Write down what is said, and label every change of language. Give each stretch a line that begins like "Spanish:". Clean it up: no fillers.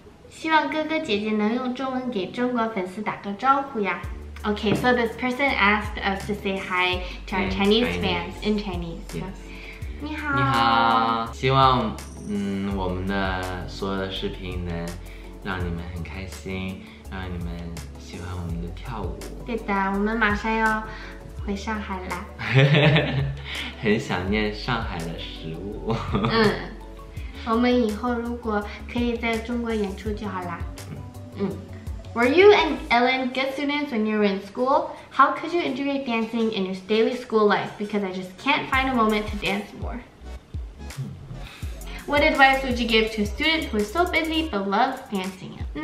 Chinese: 希望哥哥姐姐能用中文给中国粉丝打个招呼呀。
English: Okay, so this person asked us to say hi to our Chinese fans in Chinese. Yes.
Chinese: 你好。你好。希望我们的所有的视频能让你们很开心，让你们喜欢我们的跳舞。对的，我们马上要回上海了。很想念上海的食物。我们以后如果可以在中国演出就好啦。
English: Were you and Ellen good students when you were in school? How could you integrate dancing in your daily school life? Because I just can't find a moment to dance more. What advice would you give to a student who is so busy but loves dancing?